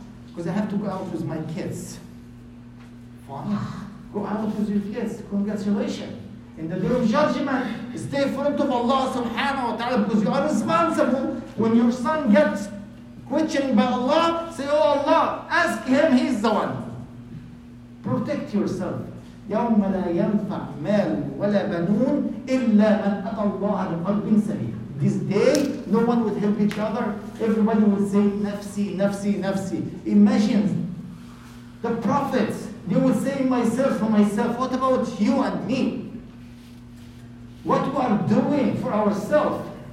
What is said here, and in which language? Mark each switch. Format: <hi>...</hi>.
<en>Because I have to go out with my kids. Fine. Go out with your kids. Congratulations. In the day of judgment, stay in front of Allah subhanahu wa ta'ala because you are responsible when your son gets questioned by Allah. Say, oh Allah, ask him, he's the one. Protect yourself.</en> <ar>يوم لا ينفع مال ولا بنون إلا من أتى الله بقلب سليم.</ar> <en>This day, no one would help each other. Everybody would say, nafsi, nafsi, nafsi. Imagine the prophets, they would say myself. What about you and me? What we are doing for ourselves?</en>